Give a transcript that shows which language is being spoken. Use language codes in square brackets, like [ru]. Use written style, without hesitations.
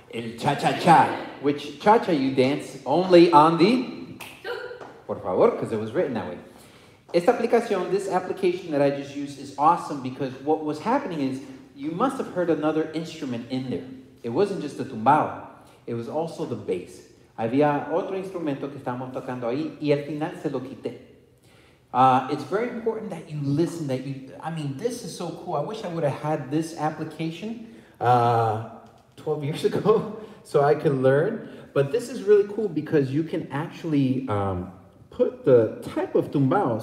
[en] El cha-cha-cha, which cha-cha you dance only on the? [es] Por favor, [en] because it was written that way. [es] Esta aplicación, [en] this application that I just used is awesome because what was happening is you must have heard another instrument in there. It wasn't just the tumbao, it was also the bass. [es] Había otro instrumento que estábamos tocando ahí y al final se lo quité. [en] It's very important that you listen, that you, I mean, this is so cool. I wish I would have had this application 12 years ago so I can learn. But this is really cool because you can actually put the type of tumbao.